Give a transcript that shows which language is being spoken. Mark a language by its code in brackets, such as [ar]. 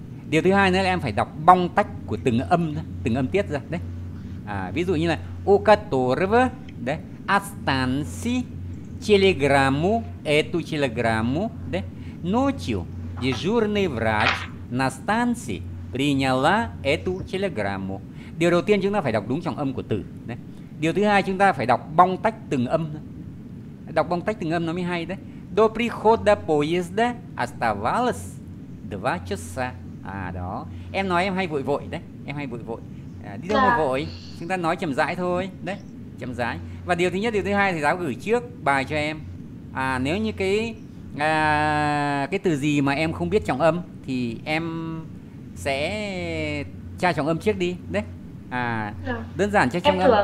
[vi] Điều thứ hai nữa là em phải đọc bong tách của từng âm tiết ra đấy. À, ví dụ như là [ru] у которого, да, от станции телеграмму, эту телеграмму, да, ночью дежурный врач на станции приняла эту телеграмму. [vi] Điều đầu tiên chúng ta phải đọc đúng trọng âm của từ. Đấy. Điều thứ hai chúng ta phải đọc bong tách từng âm. Đọc bong tách từng âm nó mới hay đấy. [ru] До прихода поезда оставалось 2 часа. [vi] À đó. Em nói em hay vội đấy. Em hay vội. Đi đâu mà vội, chúng ta nói chậm rãi thôi đấy, chậm rãi. Và điều thứ nhất, điều thứ hai, thì giáo gửi trước bài cho em. À, nếu như cái từ gì mà em không biết trọng âm thì em sẽ tra trọng âm trước đi đấy. À, đơn giản tra trọng âm.